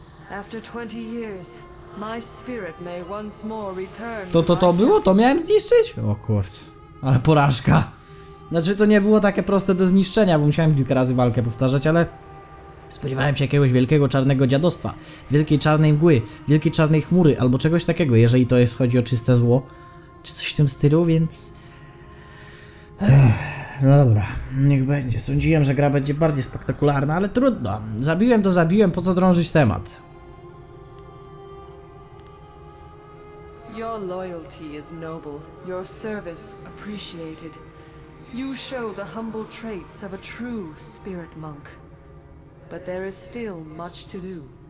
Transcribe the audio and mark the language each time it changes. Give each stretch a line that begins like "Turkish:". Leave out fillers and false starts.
English: After 20 years, my spirit may once more return.
Polish: To było? To miałem zniszczyć? O kurde. Ale porażka. Znaczy to nie było takie proste do zniszczenia, bo musiałem kilka razy walkę powtarzać, ale spodziewałem się jakiegoś wielkiego czarnego dziadostwa, wielkiej czarnej mgły, wielkiej czarnej chmury, albo czegoś takiego, jeżeli to jest chodzi o czyste zło, czy coś w tym stylu, więc... No dobra, niech będzie. Sądziłem, że gra będzie bardziej spektakularna, ale trudno. Zabiłem to zabiłem, po co drążyć temat?
English: Your loyalty is noble, your service appreciated. You show the humble traits of a true spirit monk. But there is still much to do.